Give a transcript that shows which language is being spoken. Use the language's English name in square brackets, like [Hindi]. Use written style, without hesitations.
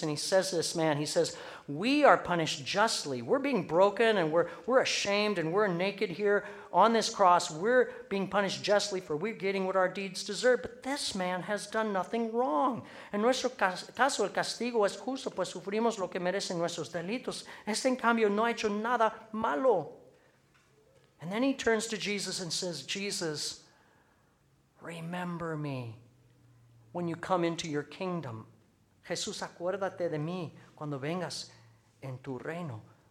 [English] And he says to this man, he says, we are punished justly. We're being broken and we're ashamed and we're naked here on this cross. We're being punished justly for we're getting what our deeds deserve. But this man has done nothing wrong. [Spanish] En nuestro caso, el castigo es justo, pues sufrimos lo que merecen nuestros delitos. Este, en cambio, no ha hecho nada malo. [English] And then he turns to Jesus and says, Jesus, remember me when you come into your kingdom. [Spanish] Jesús, acuérdate de mí cuando vengas en tu reino.